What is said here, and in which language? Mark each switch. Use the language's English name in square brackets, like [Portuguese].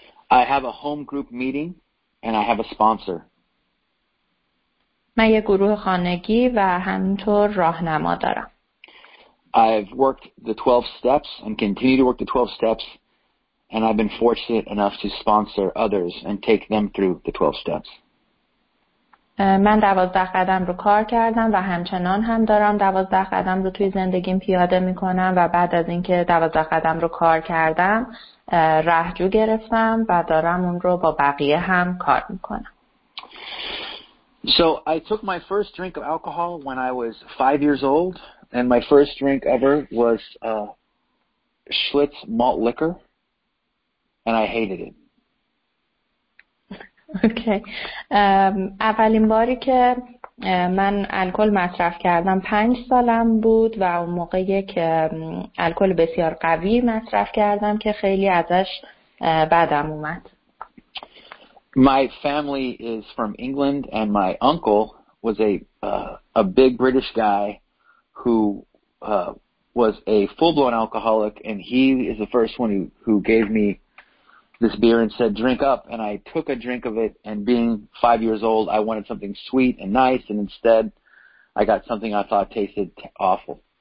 [English] I have a home group meeting and I have a sponsor. [Persian] من یک گروه خانگی و همینطور راهنما دارم. [English] I've worked the 12 steps and continue to work the 12 steps, and I've been fortunate enough to sponsor others and take them through the 12 steps. [Persian] من 12 قدم رو کار کردم و همچنان هم دارم 12 قدم رو توی زندگیم پیاده می‌کنم و بعد از اینکه 12 قدم رو کار کردم راهجو گرفتم و دارم اون رو با بقیه هم کار می‌کنم. [English] So I took my first drink of alcohol when I was 5 years old, and my first drink ever was Schlitz malt liquor, and I hated it. Okay. [Persian] اولین باری که من الکل مصرف کردم 5 سالم بود و اون موقع یک الکل بسیار قوی مصرف کردم که خیلی ازش بدم اومد. [English] My family is from England, and my uncle was a big British guy who was a full-blown alcoholic, and he is the first one who gave me this beer and said, drink up, and I took a drink of it, and being 5 years old, I wanted something sweet and nice, and instead, I got something I thought tasted awful.